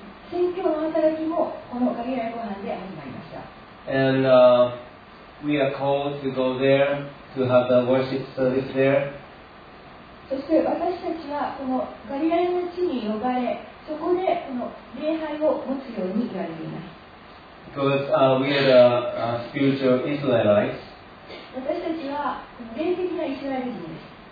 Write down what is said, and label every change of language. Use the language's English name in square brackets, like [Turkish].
[Japanese] 宣教の働きもこのガリラヤ湖畔で始まりました。 [English] And we are called to go there to have the worship service there. [Japanese] そして私たちはこのガリラヤの地に呼ばれ、そこでこの礼拝を持つように言われています。 [English] Because we are the spiritual Israelites. [Japanese] 私たちは霊的なイスラエル人です。